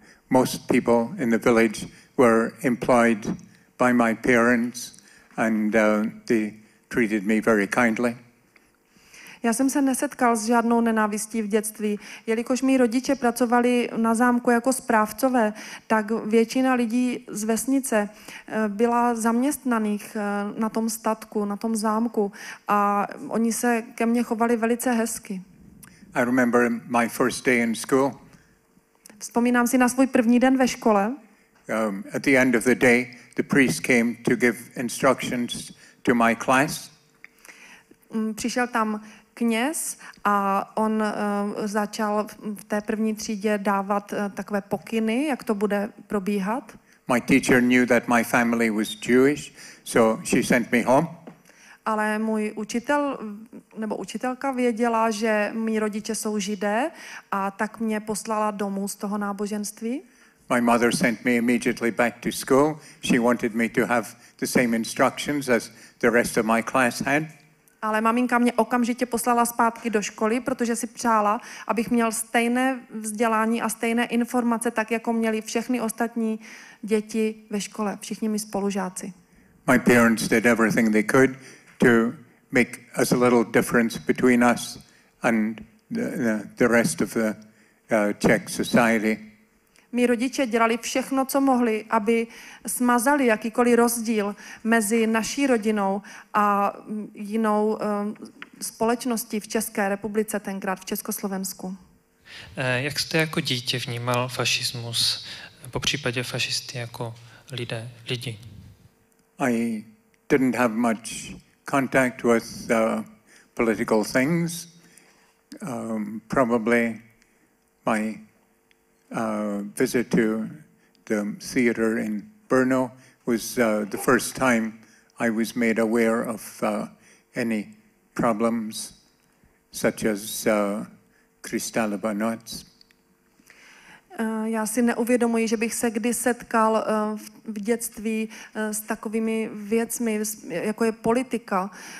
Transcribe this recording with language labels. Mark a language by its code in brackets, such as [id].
[en] Most people in the village were employed by my parents and they treated me very kindly. [cs] Já jsem se nesetkal s žádnou nenávistí v dětství. Jelikož mý rodiče pracovali na zámku jako správcové, tak většina lidí z vesnice byla zaměstnaných na tom statku, na tom zámku a oni se ke mně chovali velice hezky. [en] I remember my first day in school. [cs] Vzpomínám si na svůj první den ve škole. [en] At the end of the day, the priest came to give instructions to my class. [cs] Přišel tam kněz a on začal v té první třídě dávat takové pokyny, jak to bude probíhat. [en] My teacher knew that my family was Jewish, so she sent me home. [cs] Ale můj učitel nebo učitelka věděla, že mý rodiče jsou Židé a tak mě poslala domů z toho náboženství. [en] My mother sent me immediately back to school. She wanted me to have the same instructions as the rest of my class had. [cs] Ale maminka mě okamžitě poslala zpátky do školy, protože si přála, abych měl stejné vzdělání a stejné informace, tak jako měli všechny ostatní děti ve škole, všichni mi spolužáci. [en] My parents did everything they could to make as little difference between us and the rest of the Czech society. [cs] Mí rodiče dělali všechno, co mohli, aby smazali jakýkoliv rozdíl mezi naší rodinou a jinou společností v České republice tenkrát, v Československu. Jak jste jako dítě vnímal fašismus, popřípadě fašisty jako lidi? [en] I didn't have much contact with political things. Probably my visit to the theater in Brno was the first time I was made aware of any problems such as Kristallova noc. [cs] Já si neuvědomuji, že bych se kdy setkal v dětství s takovými věcmi, jako je politika.